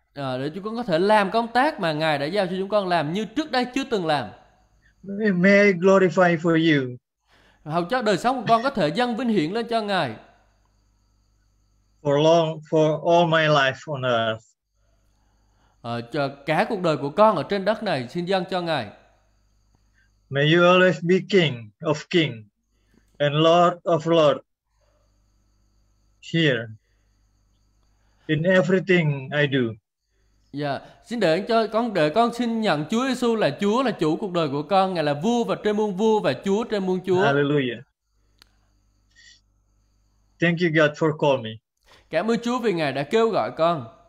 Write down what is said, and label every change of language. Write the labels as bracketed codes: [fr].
[vi] Để chúng con có thể làm công tác mà Ngài đã giao cho chúng con làm như trước đây chưa từng làm. [en] May I glorify for you. [vi] Hầu cho đời sống của con có thể dâng vinh hiển lên cho Ngài. [en] For all my life on earth. [vi] Cho cả cuộc đời của con ở trên đất này xin dâng cho Ngài. [en] May you always be King of Kings and Lord of Lords here in everything I do. [vi] Xin để cho con, để con xin nhận Chúa Giêsu là Chúa, là chủ cuộc đời của con. Ngài là vua và trên muôn vua và Chúa trên muôn Chúa. Hallelujah. [en] Thank you God for calling me. [vi] Cảm ơn Chúa vì Ngài đã kêu gọi con.